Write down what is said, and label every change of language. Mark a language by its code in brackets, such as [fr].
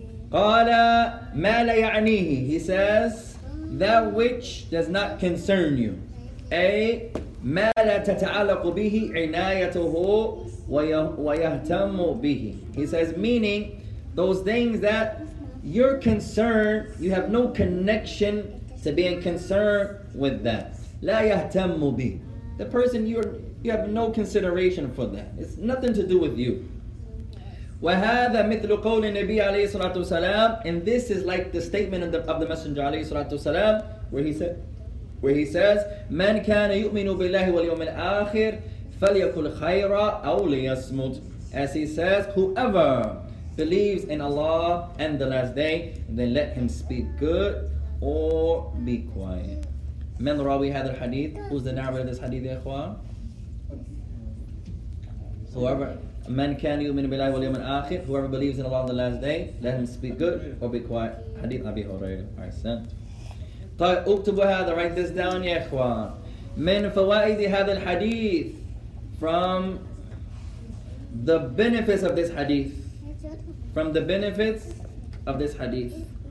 [ar] قال ما لا يعنيه, [en] he says that which does not concern you. [ar] أي ما لا تتعلق به عنايته ويهتم به. [en] He says meaning those things that you're concerned, you have no connection to being concerned with that. [ar] لا يهتم به. [en] The person you have no consideration for that. It's nothing to do with you. [ar] وَهَذَا مِثْلُ قَوْلِ النَّبِيَ عَلَيْهِ صَلَاةُ وَسَلَامُ. [en] And this is like the statement of the Messenger [ar] عليه الصلاة والسلام, [en] where he says, [ar] مَنْ كَانَ يُؤْمِنُ بِاللَّهِ وَالْيَوْمِ الْآخِرِ فَلْيَكُلْ خَيْرًا أَوْ لِيَصْمُتُ. [en] As he says, whoever believes in Allah and the last day, then let him speak good or be quiet. [ar] Man rawi hadha al-hadith, [en] who's the narrator of this hadith, ikhwan? Whoever, [ar] man kan yu'minu billahi wal yawmil akhir, [en] whoever believes in Allah on the last day, let him speak good or be quiet. Hadith Abi Hurairah, I sent. [ar] طيب اكتبوا هذا, [en] write this down, [ar] يا اخوان. من فوائد هذا الحديث, [en] from the benefits of this hadith, from the benefits of this hadith.